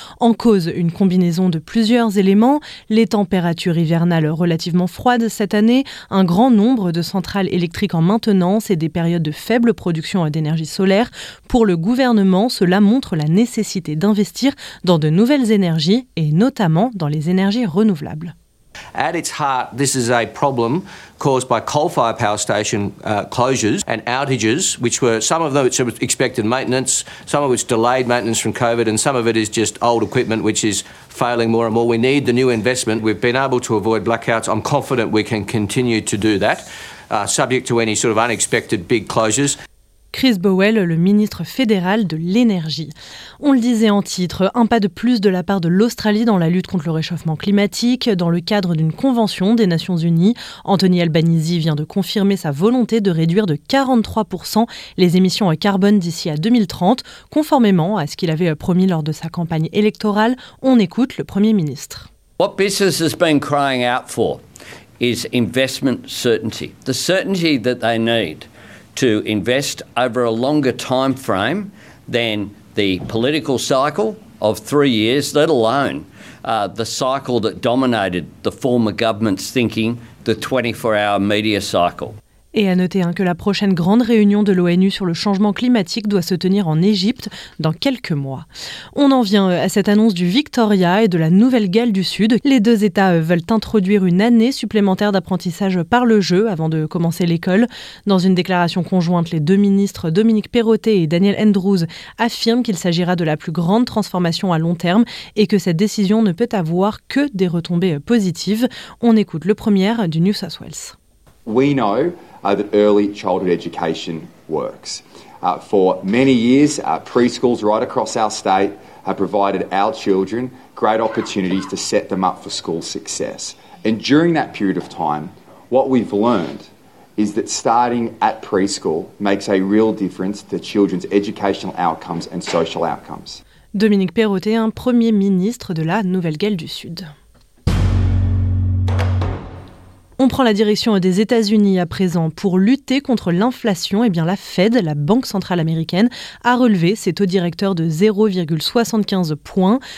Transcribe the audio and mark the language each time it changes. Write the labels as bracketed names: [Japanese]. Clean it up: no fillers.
[French] En cause, une combinaison de plusieurs éléments. Les températures hivernales relativement froides cette année, un grand nombre de centrales électriques en maintenance et des périodes de faible production d'énergie solaire. Pour le gouvernement, cela montre la nécessité d'investir dans de nouvelles énergies et notamment dans les énergies renouvelables. [English] At its heart, this is a problem caused by coal-fired power station closures and outages, which were some of them it's expected maintenance, some of which delayed maintenance from COVID, and some of it is just old equipment which is failing more and more. We need the new investment. We've been able to avoid blackouts. I'm confident we can continue to do that, subject to any sort of unexpected big closures. [French] Chris Bowell, le ministre fédéral de l'énergie. On le disait en titre, un pas de plus de la part de l'Australie dans la lutte contre le réchauffement climatique dans le cadre d'une convention des Nations Unies. Anthony Albanese vient de confirmer sa volonté de réduire de 43% les émissions carbone d'ici à 2030, conformément à ce qu'il avait promis lors de sa campagne électorale. On écoute le Premier ministre. [English] What business has been crying out for is investment certainty. The certainty that they need to invest over a longer time frame than the political cycle of 3 years, let alone the cycle that dominated the former government's thinking, the 24-hour media cycle. [French] Et à noter que la prochaine grande réunion de l'ONU sur le changement climatique doit se tenir en Égypte dans quelques mois. On en vient à cette annonce du Victoria et de la Nouvelle-Galles du Sud. Les deux États veulent introduire une année supplémentaire d'apprentissage par le jeu avant de commencer l'école. Dans une déclaration conjointe, les deux ministres Dominique Perrottet et Daniel Andrews affirment qu'il s'agira de la plus grande transformation à long terme et que cette décision ne peut avoir que des retombées positives. On écoute le premier du New South Wales. [English] We know that early childhood education works. For many years, preschools right across our state have provided our children great opportunities to set them up for school success. And during that period of time, what we've learned is that starting at preschool makes a real difference to children's educational outcomes and social outcomes. [French] Dominique Perrottet, un premier ministre de la Nouvelle-Galles du Sud. On prend la direction des États-Unis à présent. Pour lutter contre l'inflation, eh bien la Fed, la Banque centrale américaine, a relevé ses taux directeurs de 0,75 points.